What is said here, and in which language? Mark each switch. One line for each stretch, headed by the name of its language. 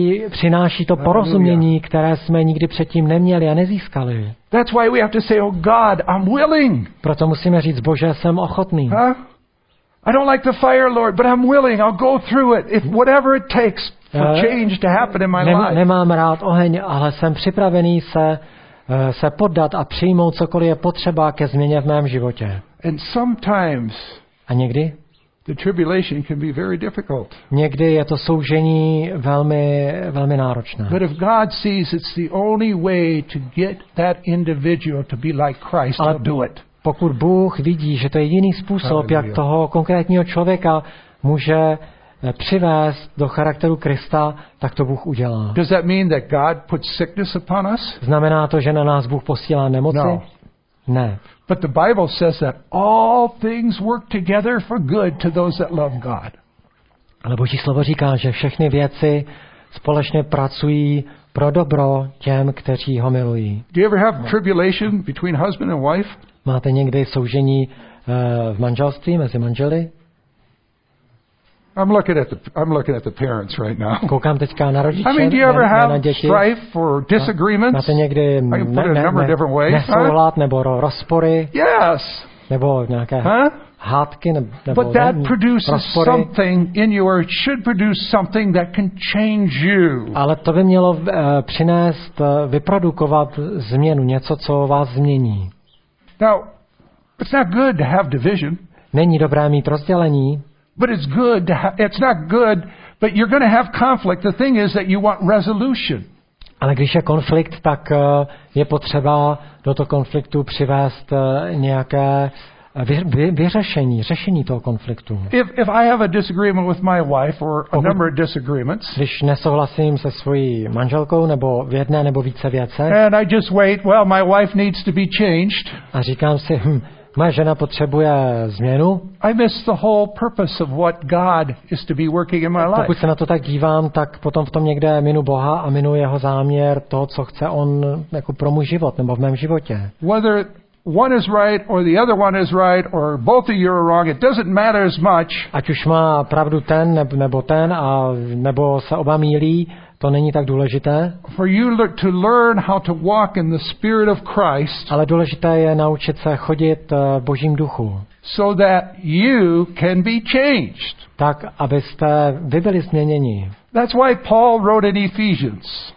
Czech: Přináší to porozumění, které jsme nikdy předtím neměli a nezískali.
English: That's why we have to say, oh God, I'm willing.
Czech: Proto musíme říct, Bože, jsem ochotný.
English: I don't like the fire, Lord, but I'm willing. I'll go through it if whatever it takes for change to happen in my life.
Czech: Nemám rád oheň, ale jsem připravený se poddat a přijmout cokoliv je potřeba ke změně v mém životě.
English: And sometimes
Czech: a někdy?
English: The tribulation can be very difficult.
Czech: Někdy je to soužení velmi, velmi náročné.
English: But if God sees it's the only way to get that individual to be like Christ, he'll do it.
Czech: Pokud Bůh vidí, že to je jiný způsob, jak toho konkrétního člověka může přivést do charakteru Krista, tak to Bůh udělá.
English: Does that mean that God puts sickness upon us?
Czech: Znamená to, že na nás Bůh posílá nemoci?
English: No.
Czech: Ne.
English: But the Bible says that all things work together for good to those that love God.
Czech: Ale Boží slovo říká, že všechny věci společně pracují pro dobro těm, kteří ho milují.
English: Do you ever have tribulation between husband and wife?
Czech: Máte někdy soužení v manželství mezi manželi?
English: I'm looking at the parents right now.
Czech: Koukám teďka na rodiče.
English: I mean, do you ever have strife or disagreements?
Czech: Máte někdy nesouhlad nebo rozpory?
English: Yes.
Czech: Nebo nějaké hádky nebo
English: But that produces something in you, or it should produce something that can change you.
Czech: Ale to by mělo přinést, vyprodukovat změnu, něco, co vás změní.
English: Now, it's not good to have division.
Czech: Není dobré mít rozdělení.
English: But it's good. It's not good. But you're going to have conflict. The thing is that you want resolution.
Czech: Ale když je konflikt, tak je potřeba do toho konfliktu přivést nějaké vyřešení, řešení toho konfliktu.
English: If I have a disagreement with my wife or a number of disagreements.
Czech: Když nesouhlasím se svojí manželkou nebo v jedné nebo více věcech.
English: And I just wait. Well, my wife needs to be changed.
Czech: A říkám si, moje žena potřebuje změnu.
English: I miss the whole purpose of what God is to be working in my life.
Czech: Pokud se na to tak dívám, tak potom v tom někde minu Boha a minu jeho záměr, to, co chce on jako pro můj život nebo v mém životě.
English: Whether one is right or the other one is right or both of you are wrong, it doesn't matter as much.
Czech: Ať už má pravdu ten nebo ten a nebo se oba mýlí, To není tak důležité.
English: For you to learn how to walk in the spirit of Christ.
Czech: Ale důležité je naučit se chodit v Božím duchu.
English: So that you can be changed.
Czech: Tak abyste vy byli změněni.
English: That's why Paul wrote in Ephesians.